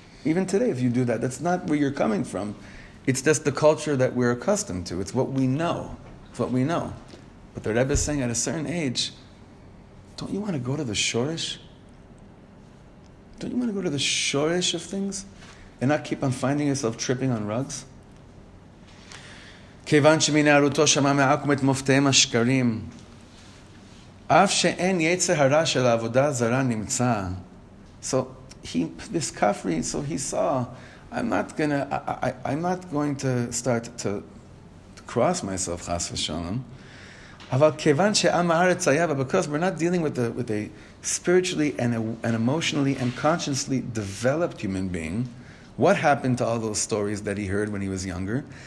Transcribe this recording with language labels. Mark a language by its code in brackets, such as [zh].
[en] Even today, if you do that, that's not where you're coming from. It's just the culture that we're accustomed to. It's what we know. It's what we know. But the Rebbe is saying, at a certain age, don't you want to go to the shoresh? Don't you want to go to the shoresh of things? And not keep on finding yourself tripping on rugs? [he] כיוון שמנערותו שמע מעקום את מופתיהם השקרים, אף שאין יצר הרע של העבודה הזרה נמצא. [en] So he, this kafri, so he saw, I'm not going to start to cross myself, chas v'shalom. [he] אבל כיוון שעם הארץ היה, [en] but because we're not dealing with a spiritually and emotionally and consciously developed human being, what happened to all those stories that he heard when he was younger?